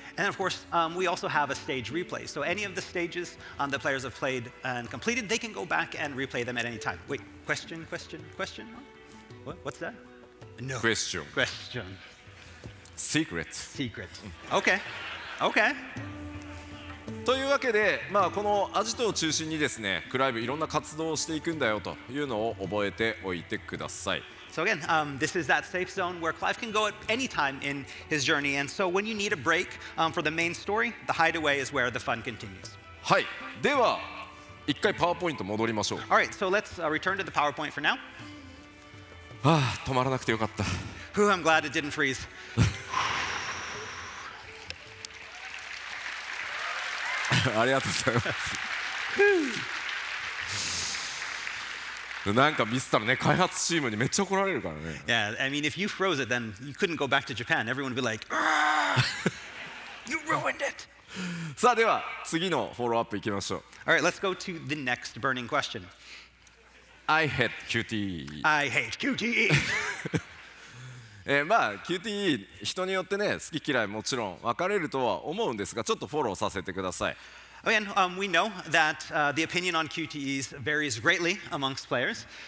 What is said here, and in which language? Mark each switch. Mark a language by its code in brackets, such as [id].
[en] And of course, we also have a stage replay. So any of the stages the players have played and completed, they can go back and replay them at any time. Wait, question? What's that? No. Question. Question. Secret. Secret. Okay. Okay. [ja] というわけで、まあ、このアジトを中心にですね、クライブいろんな活動をしていくんだよというのを覚えておいてください。 [en] So again, this is that safe zone where Clive can go at any time in his journey. And so when you need a break for the main story, the hideaway is where the fun continues. [ja] はい。では、一回パワーポイント戻りましょう。 [en] All right, so let's return to the PowerPoint for now. [ja] あ、止まらなくてよかった。 [en] Whew, I'm glad it didn't freeze. [ja] ありがとうございます。なんかミスったらね、開発チームにめっちゃ怒られるからね。 [en] Yeah, I mean, if you froze it, then you couldn't go back to Japan. Everyone would be like, "You ruined it." [ja] さあ、では次のフォローアップいきましょう。 [en] All right, let's go to the next burning question. I hate QTE. I hate QTE. [ja] まあ、QTE 人によってね好き嫌いもちろん分かれるとは思うんですがちょっとフォローさせてください。 [en] Again, we know that the opinion on QTEs varies greatly amongst players.